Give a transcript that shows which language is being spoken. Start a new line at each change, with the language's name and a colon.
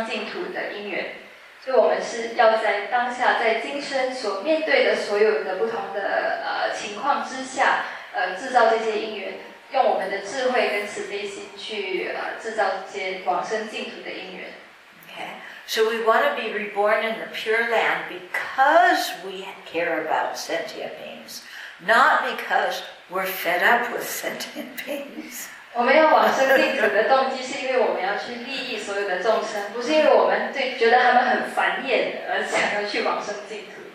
Chinese: 所以我们是要在今生制造去西方净土的因缘。所以我们是要在当下在今生所面对的所有的不同的情况之下制造这些因缘，用我们的智慧跟慈悲心去制造这些往生净土的因缘。
English: Okay, so we want to be reborn in the pure land because we care about sentient beings, not because we're fed up with sentient beings.
Chinese: 我们要往生净土的动机是因为我们要去利益所有的众生，不是因为我们对觉得他们很繁衍而想要去往生净土。